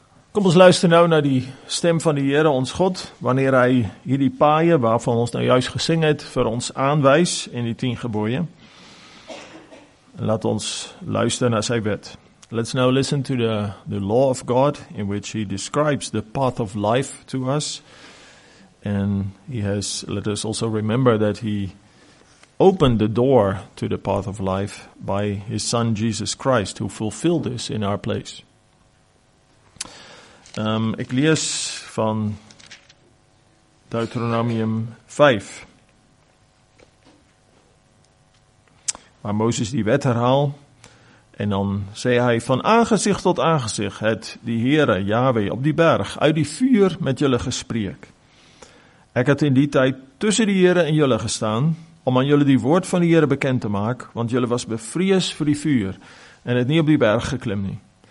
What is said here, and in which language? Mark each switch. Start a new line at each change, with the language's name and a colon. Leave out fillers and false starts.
Afrikaans: Kom ons luister nou na die stem van die Here ons God, wanneer hy hierdie paaie waarvan ons nou juist gesing het, vir ons aanwys in die 10 gebooie. Laat ons luister na sy wet.
English: Let's now listen to the law of God in which he describes the path of life to us. And he has, let us also remember that he opened the door to the path of life by his son Jesus Christ, who fulfilled this in our place.
Afrikaans: Ek lees van Deuteronomium 5, waar Mozes die wet herhaal, en dan sê hy, van aangezicht tot aangezicht het die Heere, Yahweh, op die berg, uit die vuur met julle gespreek. Ek het in die tyd tussen die Heere en julle gestaan, om aan julle die woord van die Heere bekend te maak, want julle was bevrees vir die vuur, en het nie op die berg geklim nie.